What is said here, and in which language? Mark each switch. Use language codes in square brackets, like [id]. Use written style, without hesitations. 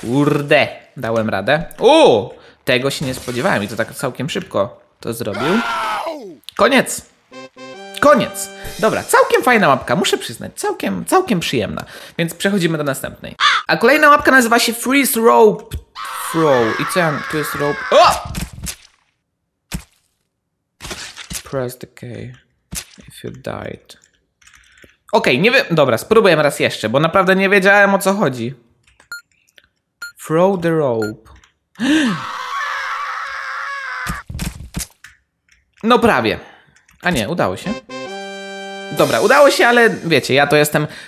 [pl] Kurde, dałem radę. Uuu, tego się nie spodziewałem i to tak całkiem szybko to zrobił. Koniec. Koniec. Dobra, całkiem fajna mapka, muszę przyznać. Całkiem przyjemna. Więc przechodzimy do następnej. A kolejna mapka nazywa się Freeze Rope Throw. I co ja... Tu jest rope... O! [en] Press the key if you died. [pl] Okej, nie wiem... Dobra, spróbujemy raz jeszcze, bo naprawdę nie wiedziałem, o co chodzi. [en] Throw the rope. [pl] No prawie. A nie, udało się. Dobra, udało się, ale wiecie, ja to jestem...